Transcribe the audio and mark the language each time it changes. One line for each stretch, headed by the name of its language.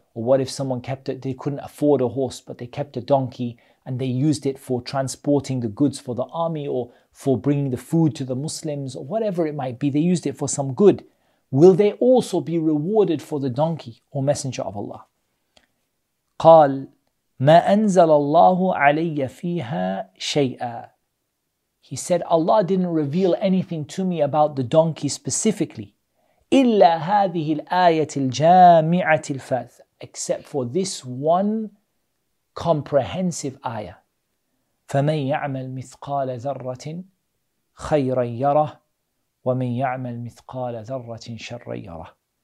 English: Or what if someone kept it, they couldn't afford a horse, but they kept a donkey and they used it for transporting the goods for the army or for bringing the food to the Muslims or whatever it might be, they used it for some good. Will they also be rewarded for the donkey or messenger of Allah?
Arabic: قال ما أنزل الله علي فيها شيئا.
English: He said, Allah didn't reveal anything to me about the donkey specifically.
Arabic: إلا هذه الآية الجامعة الفاتحة.
English: Except for this one comprehensive ayah.
Arabic: فمن يعمل مثقال ذرة خيرا يره ومن يعمل مثقال ذرة شرا يره.